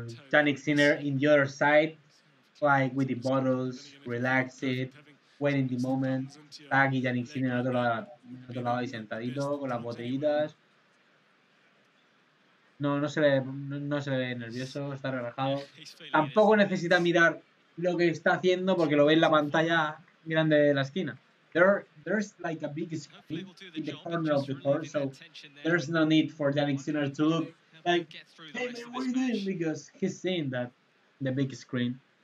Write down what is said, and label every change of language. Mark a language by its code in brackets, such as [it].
[en] Jannik Sinner in the other side, like with the bottles, relaxed, waiting the moment. [es] Aquí Jannik Sinner en otro lado y sentadito con las botellitas. No se ve nervioso, está relajado. Tampoco necesita mirar lo que está haciendo porque lo ve en la pantalla grande de la esquina. [en] There's like a big screen in the corner of the court, so there's no need for Jannik Sinner to look like, hey man, what are you doing? Because he's seeing that the big screen.